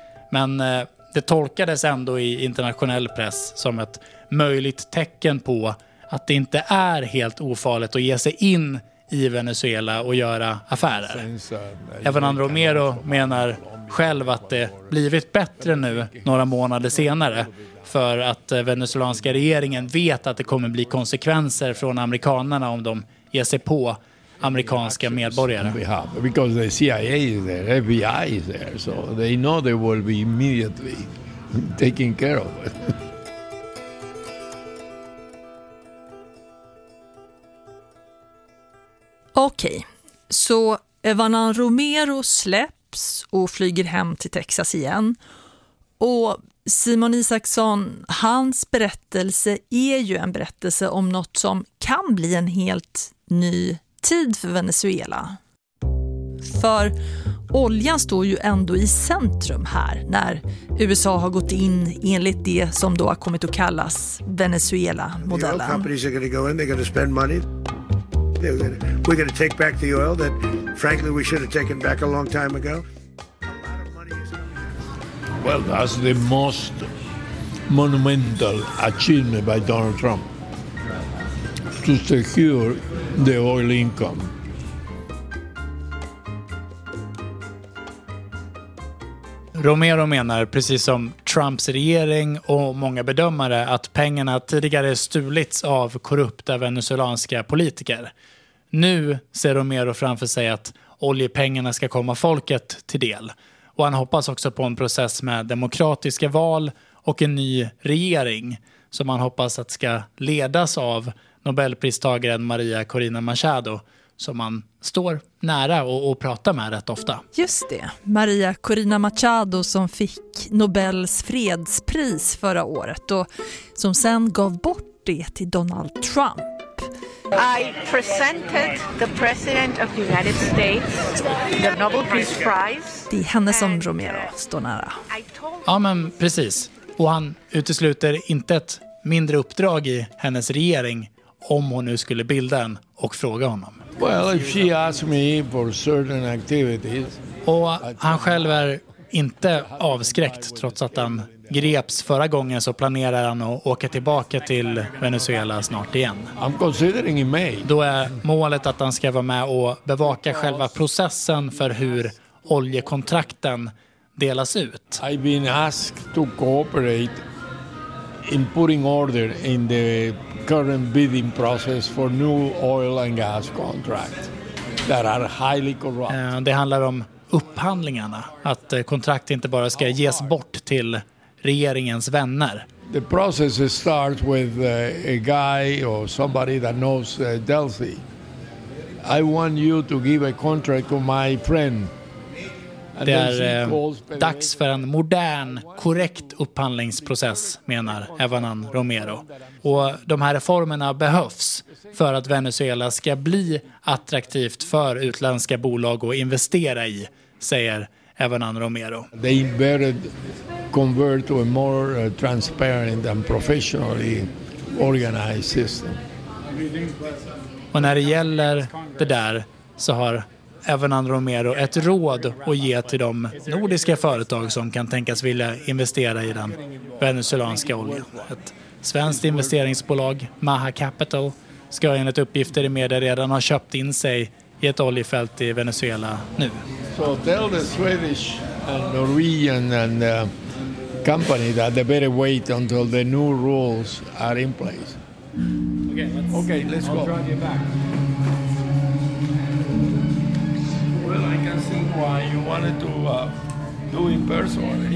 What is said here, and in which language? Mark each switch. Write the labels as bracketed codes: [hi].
[sv] Men det tolkades ändå i internationell press som ett möjligt tecken på att det inte är helt ofarligt att ge sig in i Venezuela och göra affärer. Evanan Romero menar själv att det blivit bättre nu några månader senare, för att venezuelanska regeringen vet att det kommer bli konsekvenser från amerikanerna om de ger sig på amerikanska medborgare. [en] Because the CIA is there, FBI is there, so they know they will be immediately taken care of. [sv] Okej, så Evanan Romero släpps och flyger hem till Texas igen. Och Simon Isaksson, hans berättelse är ju en berättelse om något som kan bli en helt ny tid för Venezuela. För oljan står ju ändå i centrum här när USA har gått in enligt det som då har kommit att kallas Venezuela-modellen. [en] The oil companies are going to go in, they're going to spend money. We're going to take back the oil that frankly we should have taken back a long time ago. Well, that's the most monumental achievement by Donald Trump. To secure the oil income. [sv] Romero menar, precis som Trumps regering och många bedömare, att pengarna tidigare stulits av korrupta venezuelanska politiker. Nu ser Romero framför sig att oljepengarna ska komma folket till del. Och han hoppas också på en process med demokratiska val och en ny regering som han hoppas att ska ledas av Nobelpristagaren Maria Corina Machado, som man står nära och pratar med rätt ofta. Just det, Maria Corina Machado som fick Nobels fredspris förra året och som sen gav bort det till Donald Trump. [en] I presented the president of the United States the Nobel Peace Prize. [sv] Det är henne som Romero står nära. Ja, men precis. Och han utesluter inte ett mindre uppdrag i hennes regering om hon nu skulle bilda en och fråga honom. [en] Well, if she asked me for certain activities. [sv] Och han själv är inte avskräckt, trots att han greps förra gången så planerar han att åka tillbaka till Venezuela snart igen. [en] I'm considering in May. [sv] Då är målet att han ska vara med och bevaka själva processen för hur oljekontrakten delas ut. [en] I've been asked to cooperate in putting order in the current bidding process for new oil and gas contracts that are highly corrupt. [sv] Det handlar om upphandlingarna, att kontrakt inte bara ska ges bort till regeringens vänner. [en] The process starts with a guy or somebody that knows Delphi. I want you to give a contract to my friend. [sv] Det är dags för en modern, korrekt upphandlingsprocess, menar Evanan Romero. Och de här reformerna behövs för att Venezuela ska bli attraktivt för utländska bolag att investera i, säger Evanan Romero. [en] They better convert to a more transparent and professionally organized system. [sv] Och när det gäller det där så har Evanan Romero ett råd att ge till de nordiska företag som kan tänkas vilja investera i den venezuelanska oljan. Ett svenskt investeringsbolag, Maha Capital, ska enligt uppgifter i media redan ha köpt in sig i ett oljefält i Venezuela nu. [en] So tell the Swedish and Norwegian and company that they better wait until the new rules are in place. Okay, let's go. Why you wanted to do it personally.